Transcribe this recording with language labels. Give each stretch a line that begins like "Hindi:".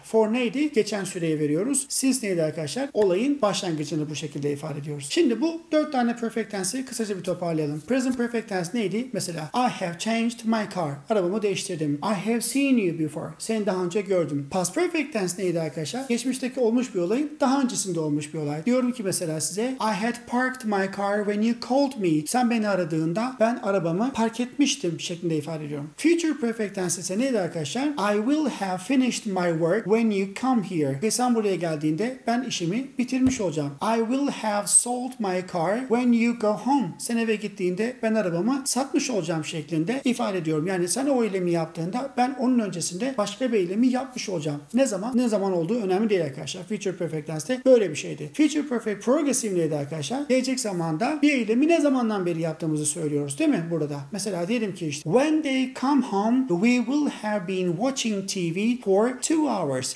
Turkish: For neydi? Geçen süreyi veriyoruz. Since neydi arkadaşlar? Olayın başlangıcını bu şekilde ifade ediyoruz. Şimdi bu 4 tane perfect tense'i kısaca bir toparlayalım.
English: Present perfect tense
Turkish: neydi? Mesela
English: I have changed my car.
Turkish: Arabamı değiştirdim.
English: I have seen you before.
Turkish: Seni daha önce gördüm.
English: Past perfect tense
Turkish: neydi arkadaşlar? Geçmişteki olmuş bir olayın daha öncesinde olmuş bir olay. Diyorum ki mesela size
English: I had parked my car when you called me.
Turkish: Sen beni aradığında ben arabamı park etmiştim şeklinde ifade ediyorum. Future perfect tense ise neydi arkadaşlar?
English: I will have finished my work when you come here.
Turkish: Ve sen buraya geldiğinde ben işimi bitirmiş olacağım.
English: I will have sold my car when you go home.
Turkish: Sen eve gittiğinde ben arabamı satmış olacağım şeklinde ifade ediyorum. Yani sen o eylemi yaptığında ben onun öncesinde başka bir eylemi yapmış olacağım. Ne zaman? Ne zaman olduğu önemli değil arkadaşlar. Future perfect tense de böyle bir şeydi.
English: Future perfect progressive neydi arkadaşlar?
Turkish: Gelecek zamanda bir eylemi ne zamandan beri yaptığımızı söylüyoruz, değil mi? Burada. Mesela diyelim ki işte
English: when they come home we will have been watching TV for 2 hours.